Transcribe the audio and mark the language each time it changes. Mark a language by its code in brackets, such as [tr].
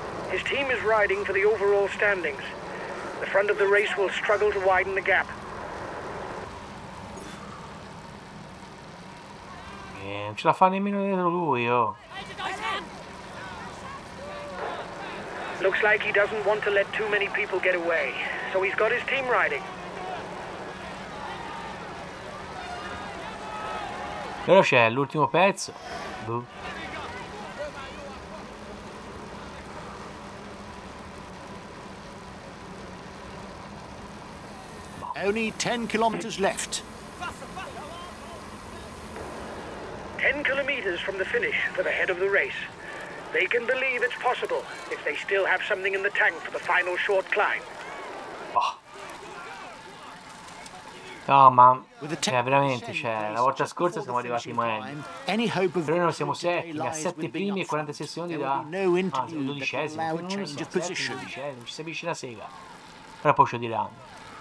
[en] His team is riding for the overall standings. The front of the race will struggle to widen the gap. [it] Non ce la fa nemmeno dietro lui, oh. [en] Looks like he doesn't want to let too many people get away, so he's got his team riding. [it] Però c'è l'ultimo pezzo. [en] Only 10 kilometers left. 10 kilometers from the finish for the head of the race. They can believe it's possible if they still have something in the tank for the final short climb. Oh. [it] No, ma veramente, cioè, la volta scorsa siamo arrivati mai. Però noi siamo settimi, a 7 primi e 46 secondi da dodicesimo, non ci si avvicina la sega. Però poi ci diranno.